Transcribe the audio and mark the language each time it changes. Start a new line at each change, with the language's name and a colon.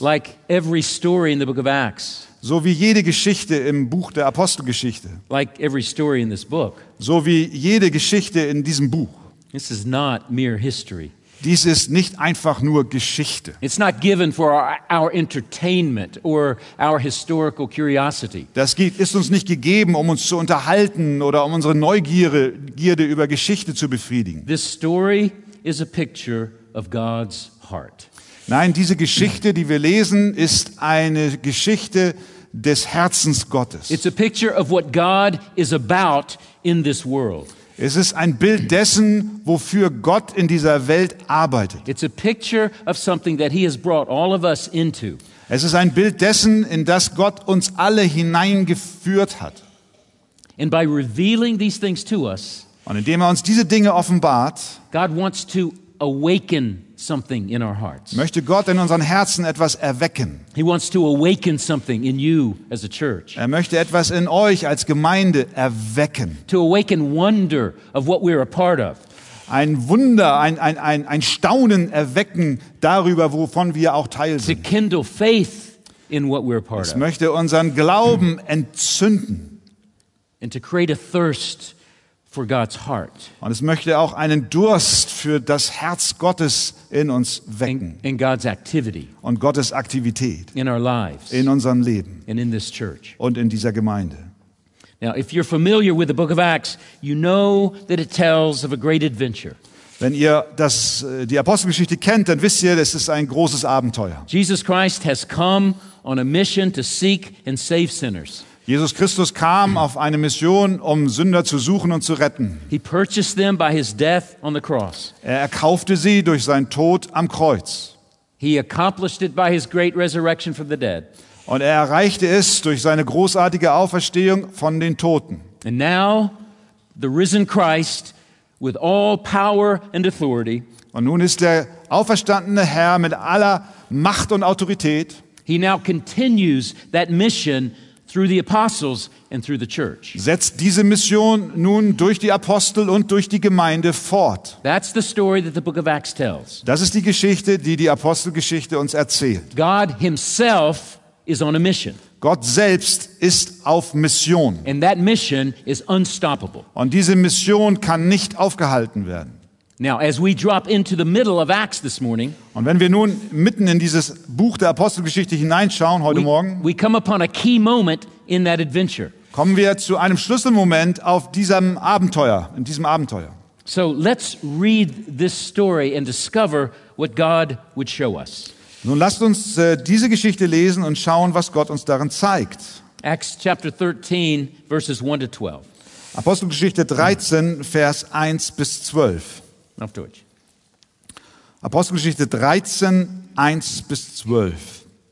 English: Like every story in the book of Acts.
German: So wie jede Geschichte im Buch der Apostelgeschichte.
English: Like every story in this book.
German: So wie jede Geschichte in diesem Buch.
English: This is not mere history.
German: Dies ist nicht einfach nur Geschichte.
English: It's not given for our entertainment or our historical curiosity.
German: Das ist uns nicht gegeben, um uns zu unterhalten oder um unsere Neugierde über Geschichte zu befriedigen.
English: This story is a picture of God's heart.
German: Nein, diese Geschichte, die wir lesen, ist eine Geschichte des Herzens Gottes.
English: It's a picture of what God is about in this world.
German: Es ist ein Bild dessen, wofür Gott in dieser Welt arbeitet.
English: It's a picture of something that he has brought all of us into.
German: Es ist ein Bild dessen, in das Gott uns alle hineingeführt hat.
English: And by revealing these things to us,
German: und indem er uns diese Dinge offenbart,
English: God wants to awaken something in our hearts.
German: Möchte Gott in unseren Herzen etwas erwecken.
English: He wants to awaken something in you as a church.
German: Er möchte etwas in euch als Gemeinde erwecken.
English: To awaken wonder of what we're a part of.
German: Ein Wunder, ein Staunen erwecken darüber, wovon wir auch Teil sind.
English: To kindle faith in what we're a part of.
German: Es möchte unseren Glauben entzünden.
English: And to create a thirst for God's heart.
German: Und es möchte auch einen Durst für das Herz Gottes in uns wecken.
English: In God's activity.
German: Und Gottes Aktivität.
English: In our lives.
German: In unserem Leben.
English: And in this church.
German: Und in dieser Gemeinde.
English: Now, if you're familiar with the book of Acts, you know that it tells of a great adventure.
German: Wenn ihr die Apostelgeschichte kennt, dann wisst ihr, das ist ein großes Abenteuer.
English: Jesus Christ has come on a mission to seek and save sinners.
German: Jesus Christus kam auf eine Mission, um Sünder zu suchen und zu retten.
English: He purchased them by his death on the cross.
German: Er erkaufte sie durch seinen Tod am Kreuz.
English: He accomplished it by his great resurrection from the dead.
German: Und er erreichte es durch seine großartige Auferstehung von den Toten.
English: And now, the risen Christ, with all power and authority,
German: und nun ist der auferstandene Herr mit aller Macht und Autorität.
English: He now continues that mission through the apostles and through the church.
German: Setzt diese Mission nun durch die Apostel und durch die Gemeinde fort.
English: That's the story that the book of Acts tells.
German: Das ist die Geschichte, die die Apostelgeschichte uns erzählt.
English: God himself is on a mission.
German: Gott selbst ist auf Mission.
English: And that mission is unstoppable.
German: Und diese Mission kann nicht aufgehalten werden.
English: Now, as we drop into the middle of Acts this morning,
German: und wenn wir nun mitten in dieses Buch der Apostelgeschichte hineinschauen heute Morgen,
English: we come upon a key moment in that adventure.
German: Kommen wir zu einem Schlüsselmoment auf diesem Abenteuer, in diesem Abenteuer.
English: So let's read this story and discover what God would show us.
German: Nun lasst uns diese Geschichte lesen und schauen, was Gott uns darin zeigt.
English: Acts chapter 13, verses 1 to 12.
German: Apostelgeschichte 13, Vers 1 bis 12. Auf Deutsch. Apostelgeschichte 13, 1 bis 12.